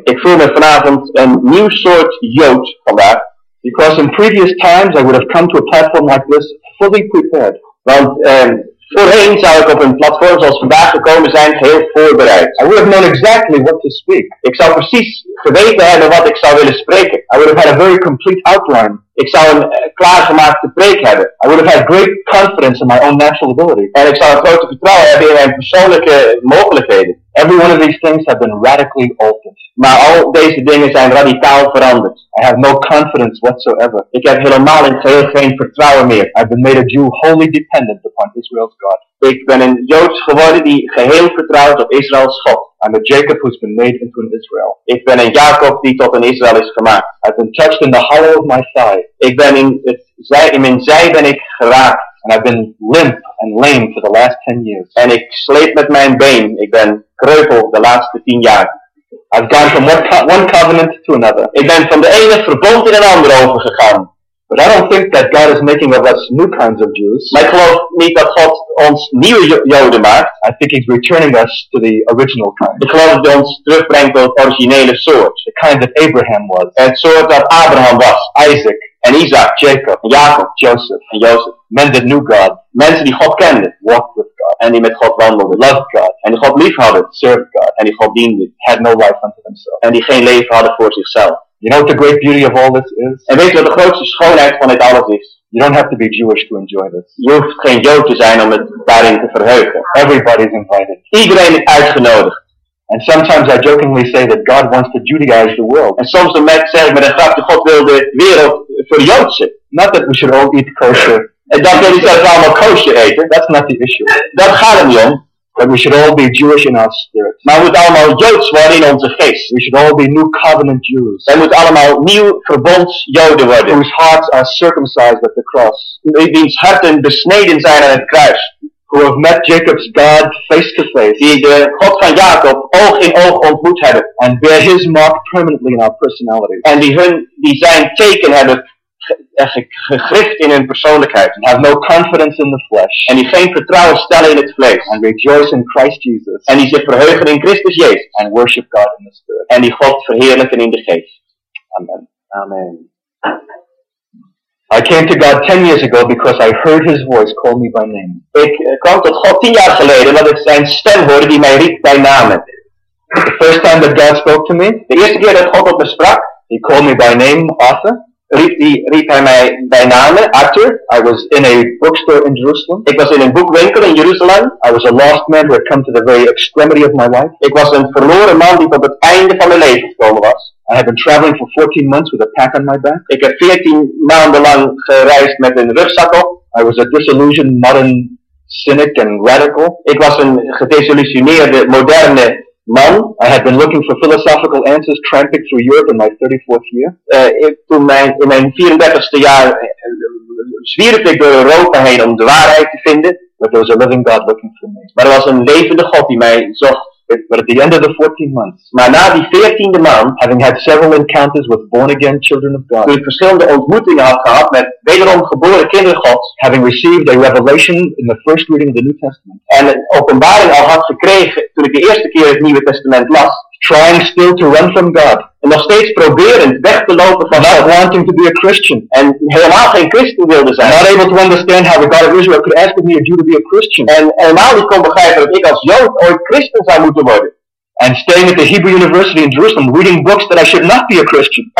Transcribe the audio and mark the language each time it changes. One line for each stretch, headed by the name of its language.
Dutch: Ik voel me vanavond een nieuw soort Jood vandaag.
English: Because in previous times I would have come to a platform like this fully prepared.
Dutch: Want voorheen zou ik op een platform zoals vandaag gekomen zijn heel voorbereid.
English: I would have known exactly what to speak.
Dutch: Ik zou precies geweten hebben wat ik zou willen spreken.
English: I would have had a very complete outline.
Dutch: Ik zou een klaargemaakte preek hebben.
English: I would have had great confidence in my own natural ability.
Dutch: En ik zou een grote vertrouwen hebben in mijn persoonlijke mogelijkheden.
English: Every one of these things have been radically altered.
Dutch: Maar al deze dingen zijn radicaal veranderd.
English: I have no confidence whatsoever.
Dutch: Ik heb helemaal in geheel geen vertrouwen meer.
English: I've been made a Jew wholly dependent upon Israel's God.
Dutch: Ik ben een Joods geworden die geheel vertrouwt op Israëls God.
English: I'm a Jacob who's been made into an Israel.
Dutch: Ik ben een Jacob die tot een Israël is gemaakt.
English: I've been touched in the hollow of my thigh.
Dutch: Ik ben in mijn zij ben ik geraakt.
English: And I've been limp and lame for the last 10 years.
Dutch: En ik sleep met mijn been. Ik ben kreupel de laatste 10 jaar.
English: I've gone from one covenant to another.
Dutch: Ik ben van de ene verbond in een ander overgegaan.
English: But I don't think that God is making of us new kinds of Jews.
Dutch: Maar ik geloof niet dat God ons nieuwe Joden maakt.
English: I think he's returning us to the original kind.
Dutch: Ik geloof dat hij ons terugbrengt tot het originele soort.
English: The kind that Abraham was.
Dutch: Het soort dat Abraham was.
English: Isaac.
Dutch: En Isaac.
English: Jacob.
Dutch: En Jacob.
English: Joseph.
Dutch: En Joseph.
English: Men that knew God.
Dutch: Mensen die God kenden.
English: Walked with God.
Dutch: En die met God wandelden.
English: Loved God.
Dutch: En die God lief hadden.
English: Served God.
Dutch: En die God diende.
English: Had no life unto themselves.
Dutch: En die geen leven hadden voor zichzelf.
English: You know what the great beauty of all this is?
Dutch: En weet je wat de grootste schoonheid van dit alles is?
English: You don't have to be Jewish to enjoy this.
Dutch: Je hoeft geen Jood te zijn om het daarin te verheugen.
English: Everybody's invited.
Dutch: Iedereen is uitgenodigd.
English: And sometimes I jokingly say that God wants to Judaize the world.
Dutch: En soms dan zeg ik met een grapje, God wil de wereld verjoodsen.
English: Not that we should all eat kosher.
Dutch: En dan wil niet dat we allemaal kosher eten.
English: That's not the issue.
Dutch: Dat gaat er niet om.
English: That we should all be Jewish in our spirit.
Dutch: Maar we moeten allemaal Joods worden in onze geest.
English: We should all be new covenant Jews.
Dutch: Wij moeten allemaal nieuw verbonds Joden worden.
English: Whose hearts are circumcised at the cross.
Dutch: Wiens harten besneden zijn aan het kruis.
English: Who have met Jacob's God face to face.
Dutch: Die de God van Jacob oog in oog ontmoet hebben.
English: And bear his mark permanently in our personality.
Dutch: En die zijn teken hebben gegrift in hun persoonlijkheid.
English: Have no confidence in the flesh.
Dutch: En die geen vertrouwen stellen in het vlees.
English: And rejoice in Christ Jesus.
Dutch: En die zich verheugen in Christus Jezus.
English: And worship God in the Spirit.
Dutch: En die God verheerlijken in de geest.
English: Amen.
Dutch: Amen.
English: I came to God 10 years ago because I heard his voice call me by name.
Dutch: Ik kwam tot God 10 jaar geleden omdat ik zijn stem hoorde die mij riep bij naam.
English: The first time that God spoke to me.
Dutch: De eerste keer dat God op me sprak.
English: He called me by name, Arthur.
Dutch: Riep hij mij bij naam,
English: Arthur. I was in a bookstore in Jerusalem.
Dutch: Ik was in een boekwinkel in Jeruzalem.
English: I was a lost man who had come to the very extremity of my life.
Dutch: Ik was een verloren man die tot het einde van mijn leven gekomen was.
English: I had been traveling for 14 months with a pack on my back.
Dutch: Ik heb 14 maanden lang gereisd met een rugzak op.
English: I was a disillusioned modern cynic and radical.
Dutch: Ik was een gedesillusioneerde moderne man.
English: I had been looking for philosophical answers tramping through Europe in my 34th year.
Dutch: In mijn 34ste jaar zwierf ik door Europa heen om de waarheid te vinden.
English: But there was a living God looking for me.
Dutch: Maar er was een levende God die mij zocht.
English: But at the end of the 14 months.
Dutch: Maar na die 14e maand,
English: having had several encounters with born again children of God.
Dutch: Toen ik verschillende ontmoetingen had gehad met wederom geboren kinderen Gods.
English: Having received a revelation in the first reading of the New Testament.
Dutch: En een openbaring al had gekregen toen ik de eerste keer het Nieuwe Testament las.
English: Trying still to run from God.
Dutch: En nog steeds proberend weg te lopen van
English: God. Wanting to be a Christian.
Dutch: En helemaal geen christen wilde zijn.
English: Not able to understand how the God of Israel could ask of me a Jew to be a Christian.
Dutch: En helemaal niet kon begrijpen dat ik als Jood ooit christen zou moeten worden.
English: And staying at the Hebrew University in Jerusalem, reading books that I should not be a Christian.